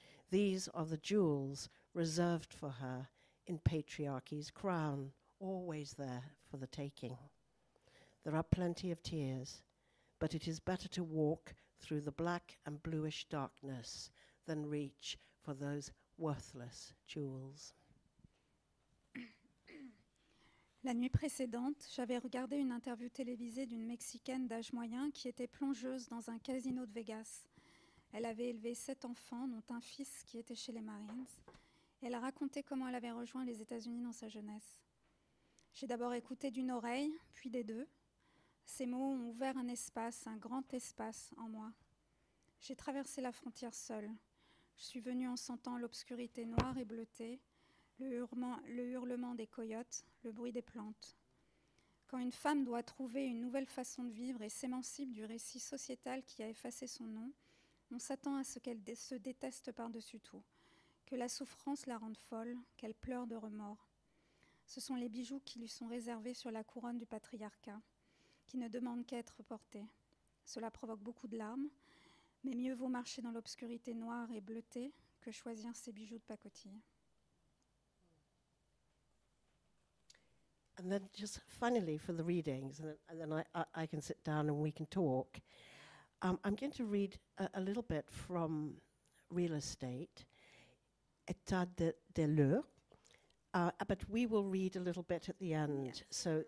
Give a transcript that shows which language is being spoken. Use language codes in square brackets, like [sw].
[en] These are the jewels reserved for her in patriarchy's crown, always there for the taking. There are plenty of tears, but it is better to walk through the black and bluish darkness than reach for those worthless jewels. [fr] La nuit précédente, j'avais regardé une interview télévisée d'une Mexicaine d'âge moyen qui était plongeuse dans un casino de Vegas. Elle avait élevé 7 enfants, dont un fils qui était chez les Marines. Elle racontait comment elle avait rejoint les États-Unis dans sa jeunesse. J'ai d'abord écouté d'une oreille, puis des deux. Ces mots ont ouvert un espace, un grand espace en moi. J'ai traversé la frontière seule. Je suis venue en sentant l'obscurité noire et bleutée, le hurlement des coyotes, le bruit des plantes. Quand une femme doit trouver une nouvelle façon de vivre et s'émancipe du récit sociétal qui a effacé son nom, on s'attend à ce qu'elle se déteste par-dessus tout, que la souffrance la rende folle, qu'elle pleure de remords. Ce sont les bijoux qui lui sont réservés sur la couronne du patriarcat, qui ne demandent qu'à être portés. Cela provoque beaucoup de larmes, mais mieux vaut marcher dans l'obscurité noire et bleutée que choisir ces bijoux de pacotille. [en] And then just finally for the readings, and then I can sit down and we can talk. I'm going to read a little bit from Real Estate, État de Lieux, but we will read a little bit at the end. Yes.